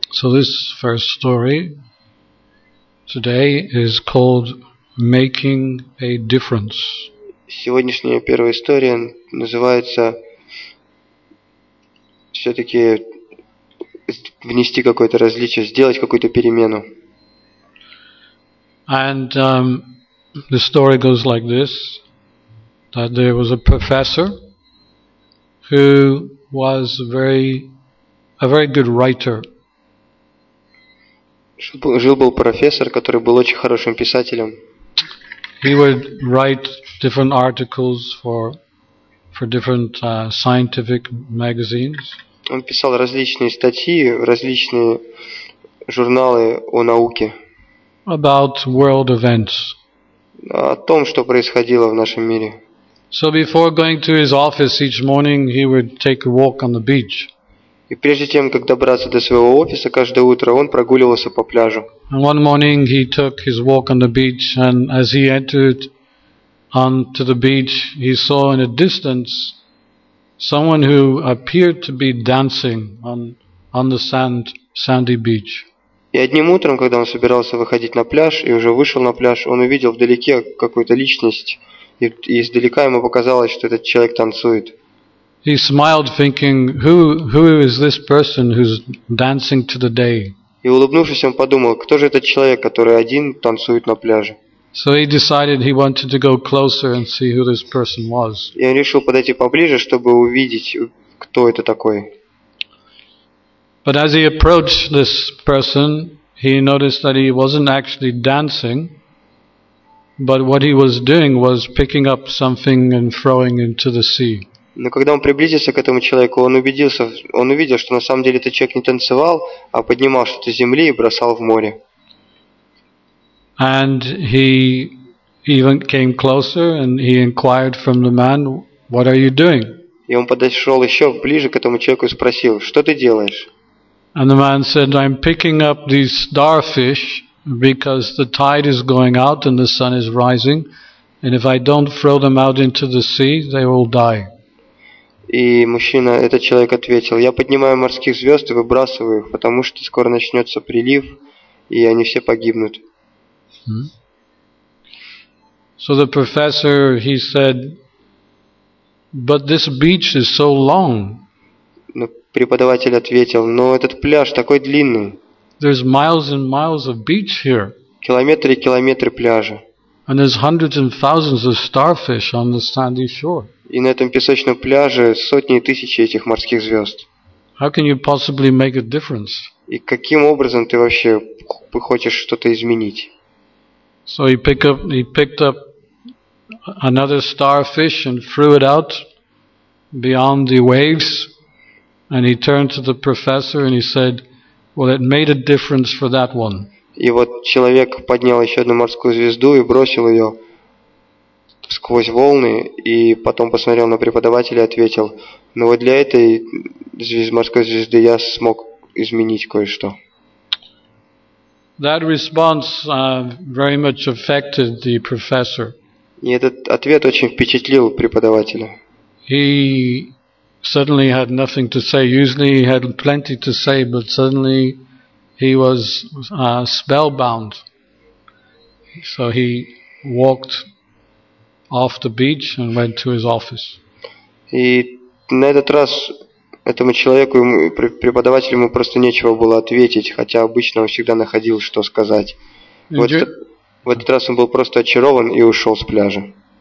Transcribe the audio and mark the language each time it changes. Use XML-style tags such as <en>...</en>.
<en>So this first story today is called Making a Difference.</en> <ru>Сегодняшняя первая история называется все-таки внести какое-то различие, сделать какую-то перемену.</ru> <en>And the story goes like this, that there was a professor who was a very good writer.</en> <ru>Жил-был профессор, который был очень хорошим писателем.</ru> <en>He would write different articles for different scientific magazines.</en> <ru>Он писал различные статьи, различные журналы о науке.</ru> <en>About world events.</en> <ru>О том, что происходило в нашем мире.</ru> <en>So before going to his office each morning, he would take a walk on the beach.</en> <ru>И прежде тем, как добраться до своего офиса, каждое утро он прогуливался по пляжу.</ru> <en>And one morning he took his walk on the beach, and as he entered onto the beach, he saw in a distance someone who appeared to be dancing on the sandy beach.</en> <ru>И одним утром, когда он собирался выходить на пляж и уже вышел на пляж, он увидел вдалеке какую-то личность. И издалека ему показалось, что этот человек танцует.</ru> <en>He smiled, thinking, who is this person who's dancing to the day?</en> <ru>И улыбнувшись, он подумал, кто же этот человек, который один танцует на пляже?</ru> <en>So he decided he wanted to go closer and see who this person was.</en> <ru>И он решил подойти поближе, чтобы увидеть, кто это такой.</ru> <en>But as he approached this person, he noticed that he wasn't actually dancing. But what he was doing was picking up something and throwing into the sea.</en> <ru>Но когда он приблизился к этому человеку, он увидел, что на самом деле этот человек не танцевал, а поднимал что-то с земли и бросал в море.</ru> <en>And he even came closer and he inquired from the man, "What are you doing?"</en> <ru>И он подошел еще ближе к этому человеку и спросил, "Что ты делаешь?"</ru> <en>And the man said, "I'm picking up these starfish. Because the tide is going out and the sun is rising, and if I don't throw them out into the sea, they will die."</en> <ru>И мужчина, этот человек ответил: "Я поднимаю морских звезд и выбрасываю их, потому что скоро начнется прилив, и они все погибнут.</ru> <en>So the professor, he said, but this beach is so long.</en> <ru>Но преподаватель ответил, но этот пляж такой длинный.</ru> <en>There's miles and miles of beach here.</en> <ru>Километры и километры пляжа.</ru> <en>And there's hundreds and thousands of starfish on the sandy shore.</en> <ru>И на этом песочном пляже сотни и тысячи этих морских звезд.</ru> <en>How can you possibly make a difference?</en> <ru>И каким образом ты вообще хочешь что-то изменить?</ru> <en>So he picked up another starfish and threw it out beyond the waves, and he turned to the professor and he said, "Well, it made a difference for that one."</en> <ru>И вот человек поднял еще одну морскую звезду и бросил ее сквозь волны, и потом посмотрел на преподавателя и ответил, ну вот для этой морской звезды я смог изменить кое-что.</ru> <en>That response very much affected the professor.</en> <ru>И этот ответ очень впечатлил преподавателя.</ru> <en>He suddenly had nothing to say. Usually he had plenty to say, but suddenly he was spellbound. So he walked off the beach and went to his office.</en> <ru>И на этот раз этому человеку, преподавателю, ему просто нечего было ответить, хотя обычно он всегда находил, что сказать. В этот раз он был просто очарован и ушел с пляжа.</ru>